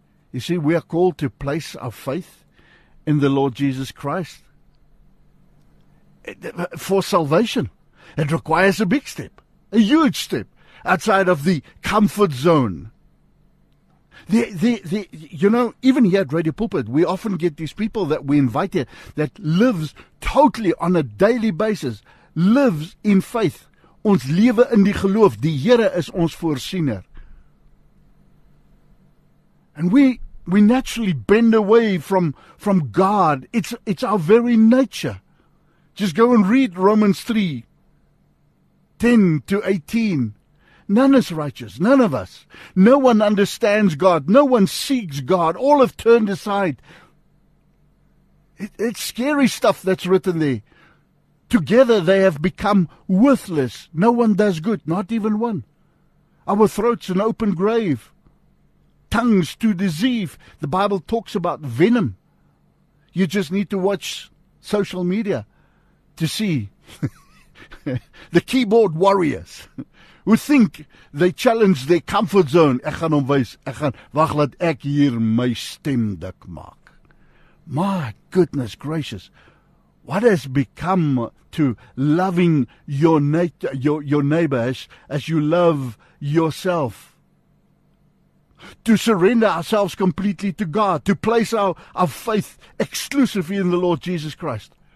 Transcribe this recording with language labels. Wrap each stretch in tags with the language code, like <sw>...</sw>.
<en>You see, we are called to place our faith in the Lord Jesus Christ for salvation. It requires a big step, a huge step. outside of the comfort zone. You know, even here at Radio Pulpit, we often get these people that we invite here that lives totally on a daily basis, lives in faith.</en> <af>Ons lewe in die geloof, die Here is ons voorsiener.</af> <en>And we naturally bend away from God. It's our very nature. Just go and read Romans 3, 10 to 18. None is righteous, none of us. No one understands God. No one seeks God. All have turned aside. It's scary stuff that's written there. Together they have become worthless. No one does good, not even one. Our throat's an open grave. Tongues to deceive. The Bible talks about venom. You just need to watch social media to see the keyboard warriors who think they challenge their comfort zone.</en> <af>Ek gaan hom wys. Ek gaan wag laat ek hier my stem dik maak.</af> <en>My goodness gracious. What has become to loving your neighbor as you love yourself? To surrender ourselves completely to God, to place our faith exclusively in the Lord Jesus Christ.</en>